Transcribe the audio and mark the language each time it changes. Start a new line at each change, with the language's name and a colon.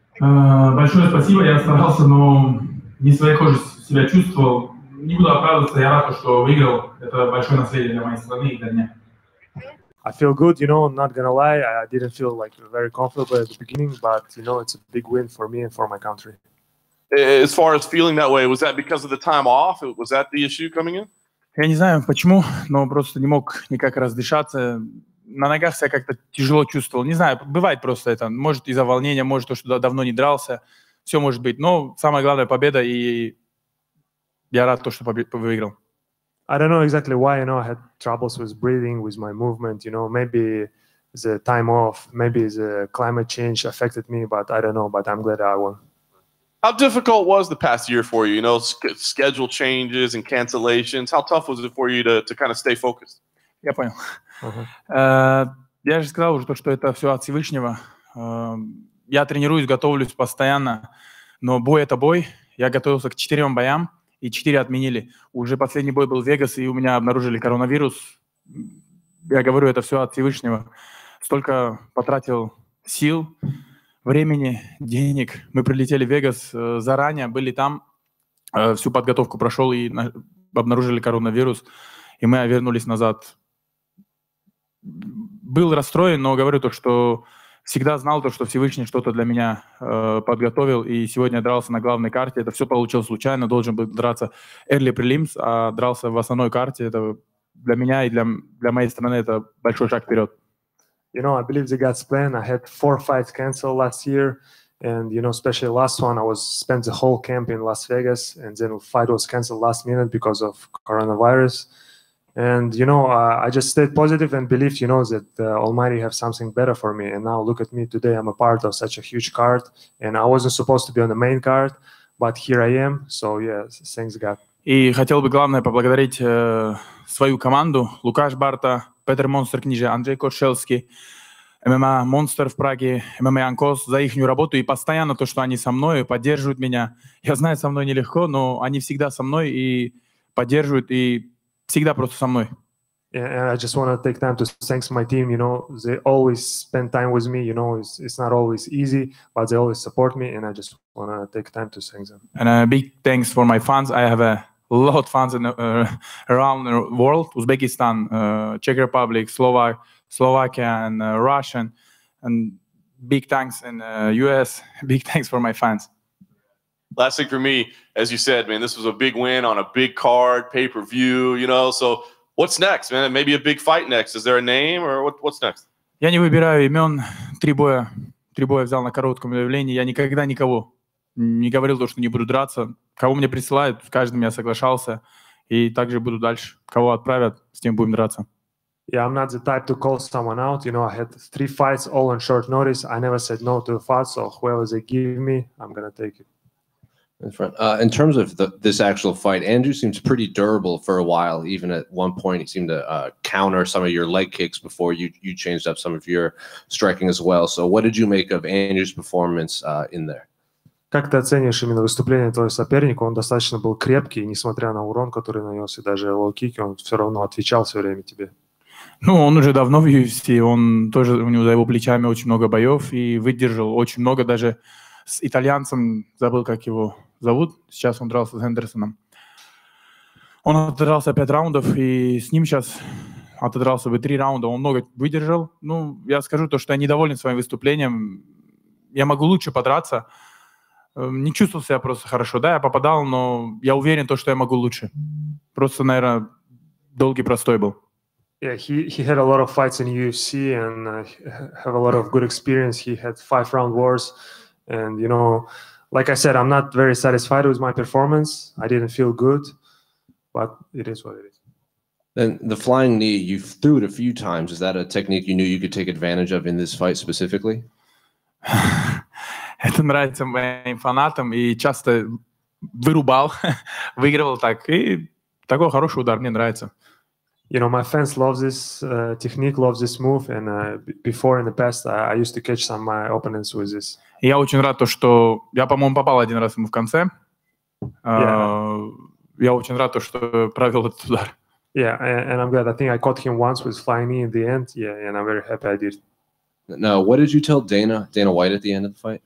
Russian: Большое спасибо, я старался, но не своей кожей себя чувствовал. Не буду оправдываться, я рад, что выиграл. Это большое наследие для моей страны и для меня.
English: I feel good, you know, I'm not going to lie. I didn't feel like very comfortable at the beginning, but, you know, it's a big win for me and for my country. As far as feeling that way, was that because of the time off? Was that the issue coming in?
Russian: Я не знаю, почему, но просто не мог никак раздышаться. На ногах себя как-то тяжело чувствовал. Не знаю, бывает просто это. Может, из-за волнения, может, то, что давно не дрался. Все может быть. Но самое главное – победа, и я рад, то, что выиграл.
English: I don't know exactly why, you know, I had troubles with breathing, with my movement, you know, maybe the time off, maybe the climate change affected me, but I don't know, but I'm glad I won. How difficult was the past year for you, you know, schedule changes and cancellations, how tough was it for you to kind of stay focused?
Russian: Я понял. Я же сказал уже то, что это все от Всевышнего. Я тренируюсь, готовлюсь постоянно, но бой это бой. Я готовился к 4 боям. И 4 отменили. Уже последний бой был в Вегас, и у меня обнаружили коронавирус. Я говорю, это все от Всевышнего. Столько потратил сил, времени, денег. Мы прилетели в Вегас заранее, были там. Всю подготовку прошел, и обнаружили коронавирус. И мы вернулись назад. Был расстроен, но говорю то, что всегда знал то, что Всевышний что-то для меня подготовил, и сегодня дрался на главной карте. Это все получилось случайно, должен был драться
English: early prelims,
Russian: а дрался в основной карте. Это для меня и для моей страны это большой шаг вперед.
English: You know, I believe the God's plan. I had 4 fights canceled last year, and you know, especially last one, I was spent the whole camp in Las Vegas, and then fight was canceled last minute because of coronavirus. And, you know, I just stayed positive and believed, you know, that the Almighty have something better for me. And now look at me today. I'm a part of such a huge card. And I wasn't supposed to be on the main card, but here I am. So, yeah, thanks God.
Russian: И хотел бы главное поблагодарить свою команду. Лукаш Барта, Петер Монстр Книжа, Андрей Кошелский, MMA Монстр в Праге, MMA Анкос за их работу. И постоянно то, что они со мной, поддерживают меня. Я знаю, со мной нелегко, но они всегда со мной и поддерживают, и всегда просто со мной.
English: Yeah, and I just want to take time to thank my team. You know, they always spend time with me. You know, it's not always easy, but they always support me, and I just want to take time to thank them. And a big thanks for my fans. I have a lot of fans in around the world: Uzbekistan, Czech Republic, Slovakia, and Russian. And big thanks in US. Big thanks for my fans. Last thing for me, as you said, man, this was a big win on a big card, pay-per-view, you know. So what's next, man? Maybe a big fight next. Is there a name or what's next?
Russian: Я не выбираю имен. Три боя взял на коротком объявлении. Я никогда никого не говорил то, что не буду драться. Кого мне присылают, с каждым я соглашался. И также буду дальше. Кого отправят, с тем будем драться.
English: Yeah, I'm not the type to call someone out. You know, I had 3 fights all on short notice. I never said no to a fight, so whoever they give me, I'm going to take it. In front. In terms of this actual fight, Andrew seems pretty durable for a while. Even at one point, he seemed to counter some of your leg kicks before you changed up some of your striking as well. So what did you make of Andrew's performance in there?
Russian: Как ты оцениваешь именно выступление твоего соперника? Он достаточно был крепкий, несмотря на урон, который нанес, и даже лоу-кики, он все равно отвечал все время тебе. Ну, он уже давно в UFC, он тоже, у него за его плечами очень много боев, и выдержал очень много, даже с итальянцем, забыл, как его зовут, сейчас он дрался с Хендерсоном. Он отодрался 5 раундов, и с ним сейчас отодрался бы 3 раунда, он много выдержал. Ну, я скажу то, что я недоволен своим выступлением, я могу лучше подраться, не чувствовал себя просто хорошо, да, я попадал, но я уверен то, что я могу лучше. Просто, наверное, долгий простой был.
English: Yeah, he had a lot of fights in UFC, and have a lot of good experience, he had 5 round wars. And, you know, like I said, I'm not very satisfied with my performance. I didn't feel good, but it is what it is. And the flying knee, you threw it a few times. Is that a technique you knew you could take advantage of in this fight specifically?
Russian: Это нравится моим фанатам, и часто вырубал, выигрывал так. И такой хороший удар мне нравится.
English: you know, my fans love this technique, love this move. And before, in the past, I used to catch some of my opponents with this.
Russian: Я очень рад, что я, по-моему, попал один раз ему в конце. Я очень рад, что провел этот удар.
English: Yeah, and I'm glad. I think I caught him once with flying knee in the end. Yeah, and I'm very happy I did. Now, what did you tell Dana White at the end of the fight?